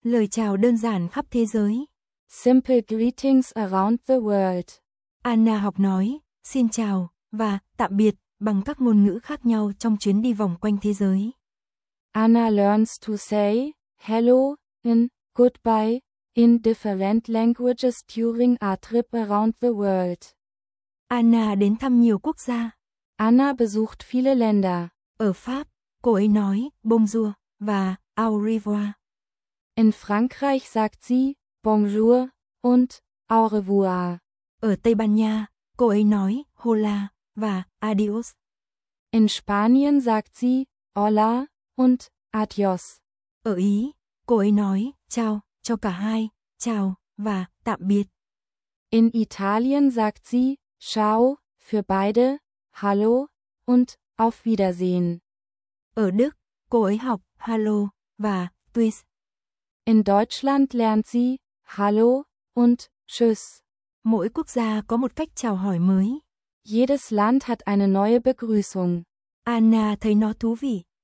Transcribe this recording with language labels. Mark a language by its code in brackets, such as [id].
[vi] Lời chào đơn giản khắp thế giới. [en] Simple greetings around the world. [vi] Anna học nói, xin chào và tạm biệt bằng các ngôn ngữ khác nhau trong chuyến đi vòng quanh thế giới. [en] Anna learns to say hello and goodbye in different languages during a trip around the world. [vi] Anna đến thăm nhiều quốc gia. [de] Anna besucht viele Länder. [vi] Ở Pháp, cô ấy nói bonjour và au revoir. [de] In Frankreich sagt sie bonjour und au revoir. [vi] Ở Tây Ban Nha, cô ấy nói hola và adios. [de] In Spanien sagt sie hola und adios. [vi] Ở Ý, cô ấy nói ciao cho cả hai, chào và tạm biệt. [de] In Italien sagt sie ciao für beide, hallo und auf Wiedersehen. [vi] Ở Đức, cô ấy học hallo và tschüss. [de] In Deutschland lernt sie hallo und tschüss. [vi] Mỗi quốc gia có một cách chào hỏi mới. [de] Jedes Land hat eine neue Begrüßung. [vi] Anna thấy nó thú vị.